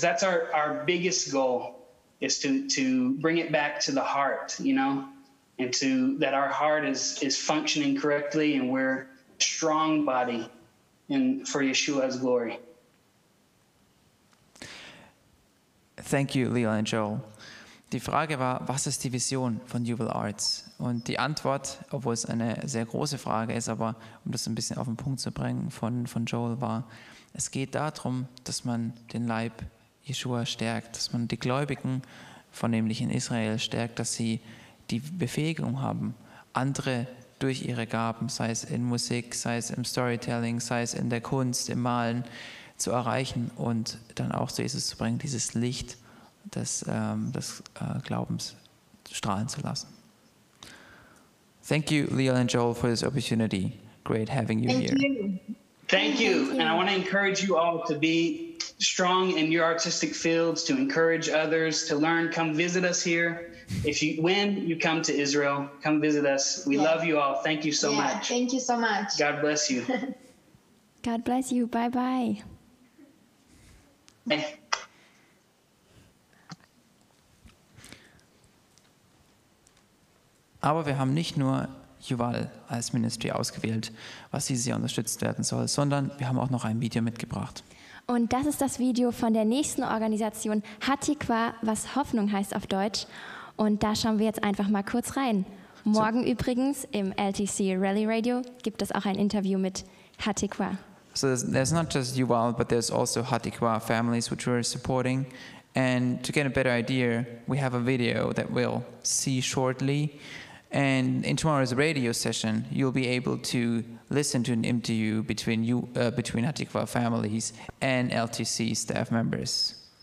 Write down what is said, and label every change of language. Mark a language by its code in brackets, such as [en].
[en] That's our biggest goal, is to bring it back to the heart, you know, and to that our heart is functioning correctly and we're a strong body and for Yeshua's glory. Thank you, Leo and Joel. [de] Die Frage war, was ist die Vision von Jubel Arts? Und die Antwort, obwohl es eine sehr große Frage ist, aber um das ein bisschen auf den Punkt zu bringen, von Joel war, es geht darum, dass man den Leib Yeshua stärkt, dass man die Gläubigen, vornehmlich in Israel, stärkt, dass sie die Befähigung haben, andere durch ihre Gaben, sei es in Musik, sei es im Storytelling, sei es in der Kunst, im Malen, zu erreichen und dann auch zu Jesus zu bringen, dieses Licht des Glaubens strahlen zu lassen. [en] Thank you, Leo and Joel, for this opportunity. Great having you here. Thank you. And I want to encourage you all to be strong in your artistic fields, to encourage others, to learn. Come visit us here. When you come to Israel, come visit us. We love you all. Thank you so much. Thank you so much. God bless you. God bless you. Bye-bye. Hey. [de] Aber wir haben nicht nur Yuval als Ministry ausgewählt, was dieses Jahr unterstützt werden soll, sondern wir haben auch noch ein Video mitgebracht. Und das ist das Video von der nächsten Organisation Hatikva, was Hoffnung heißt auf Deutsch. Und da schauen wir jetzt einfach mal kurz rein. Morgen übrigens im LTC Rally Radio gibt es auch ein Interview mit Hatikva. [en] So there's not just Yuval, but there's also Hatikva families, which we're supporting. And to get a better idea, we have a video that we'll see shortly. And in tomorrow's radio session, you'll be able to listen to an interview between you, between Hatikva families and LTC staff members.